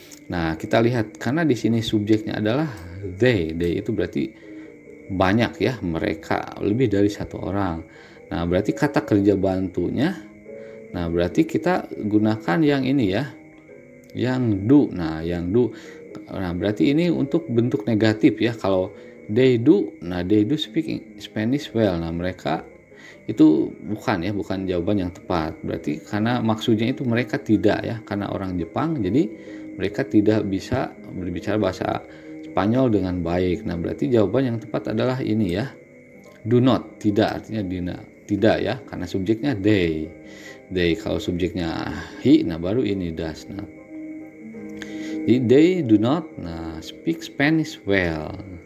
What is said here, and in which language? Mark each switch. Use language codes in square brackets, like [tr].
[id] Nah, kita lihat karena di sini subjeknya adalah they. They itu berarti banyak ya, mereka lebih dari satu orang. Nah, berarti kata kerja bantunya, nah berarti kita gunakan yang ini ya, yang do. Nah, yang do. Nah, berarti ini untuk bentuk negatif ya. [en] Kalau they do, nah they do speak Spanish well. [id] Nah, mereka itu bukan ya, bukan jawaban yang tepat. Berarti karena maksudnya itu mereka tidak ya, karena orang Jepang jadi mereka tidak bisa berbicara bahasa Spanyol dengan baik. Nah, berarti jawaban yang tepat adalah ini ya. Do not, tidak, artinya tidak ya, karena subjeknya they. They, kalau subjeknya he, nah baru ini does. [en] Nah, they do not, nah speak Spanish well.